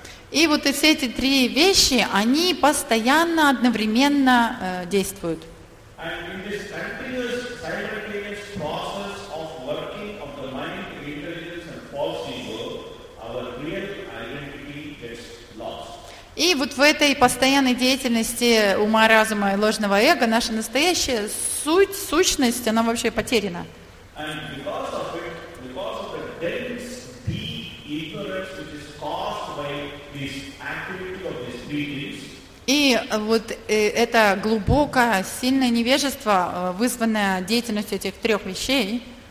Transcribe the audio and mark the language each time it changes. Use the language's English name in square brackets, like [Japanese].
[Russian] И вот все эти три вещи, они постоянно, одновременно действуют. [English] And in this continuous simultaneous process of working of the mind, intelligence and false ego, our real identity gets lost. [Russian] И вот в этой постоянной деятельности ума, разума и ложного эго наша настоящая суть, сущность, она вообще потеряна. [English] And because of it, because of the dense, deep ignorance which is caused by this activity of these three things. [Russian] И вот это глубокое, сильное невежество, вызванное деятельностью этих трех вещей.